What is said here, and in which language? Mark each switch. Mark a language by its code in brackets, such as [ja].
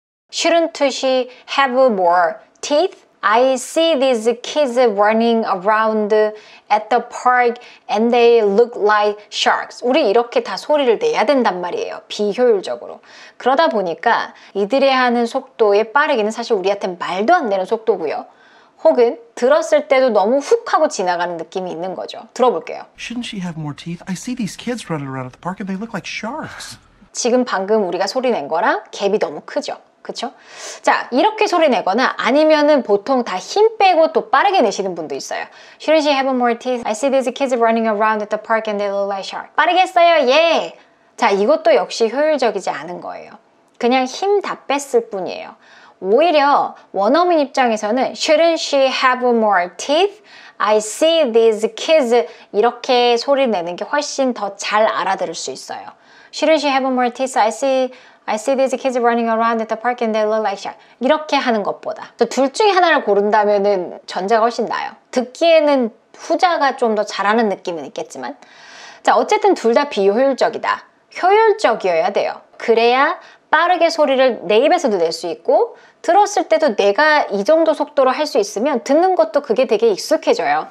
[en] Shouldn't she have more teeth? I see these kids running around at the park and they look like sharks. [ko] 우리 이렇게 다 소리를 내야 된단 말이에요. 비효율적으로. 그러다 보니까 이들의 하는 속도의 빠르기는 사실 우리한테 말도 안 되는 속도고요. 혹은 들었을 때도 너무 훅 하고 지나가는 느낌이 있는 거죠. 들어볼게요. [en] Shouldn't she have more teeth? I see these kids running around at the park and they look like sharks. [ko] 지금 방금 우리가 소리 낸 거랑 갭이 너무 크죠. 그렇죠? 자, 이렇게 소리 내거나 아니면은 보통 다 힘 빼고 또 빠르게 내시는 분도 있어요. [en] Shouldn't she have more teeth? I see these kids running around at the park and they look like sharks. [ko] 빠르게 했어요. 예! 자, 이것도 역시 효율적이지 않은 거예요. 그냥 힘 다 뺐을 뿐이에요. 오히려 원어민 입장에서는 [en] Shouldn't she have more teeth? I see these kids [ko] 이렇게 소리 내는 게 훨씬 더 잘 알아들을 수 있어요. [en] Shouldn't she have more teeth? I see these kids running around at the park and they look like sharks. [ko] 이렇게 하는 것보다 둘 중에 하나를 고른다면 전자가 훨씬 나아요. 듣기에는 후자가 좀 더 잘하는 느낌은 있겠지만, 자, 어쨌든 둘 다 비효율적이다. 효율적이어야 돼요. 그래야 빠르게 소리를 내 입에서도 낼 수 있고 들었을 때도 내가 이 정도 속도로 할 수 있으면 듣는 것도 그게 되게 익숙해져요.